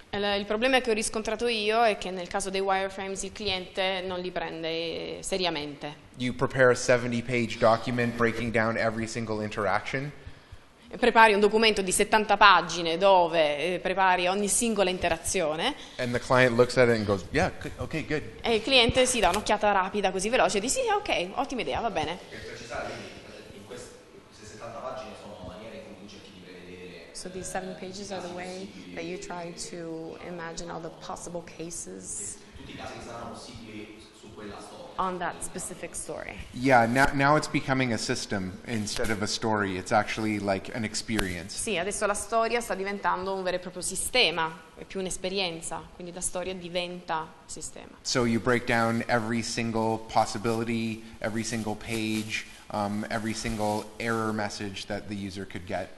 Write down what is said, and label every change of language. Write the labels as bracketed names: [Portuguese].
[Italian] Il problema che ho riscontrato io è che nel caso dei wireframes il cliente non li prende seriamente. [English] You prepare a 70-page document breaking down every single interaction. [Italian] Prepari un documento di 70 pagine dove prepari ogni singola interazione. [English] And the client looks at it and goes, yeah, okay, good. [Italian] E il cliente si dà un'occhiata rapida, così veloce, e dice, sì, ok, ottima idea, va bene. [English] So these 70 pages are the way that you try to imagine all the possible cases on that specific story. Yeah, now it's becoming a system instead of a story. It's actually like an experience. [Italian] Sì, adesso la storia sta diventando un vero e proprio sistema, è più un'esperienza, quindi la storia diventa sistema. [English] So you break down every single possibility, every single page, every single error message that the user could get.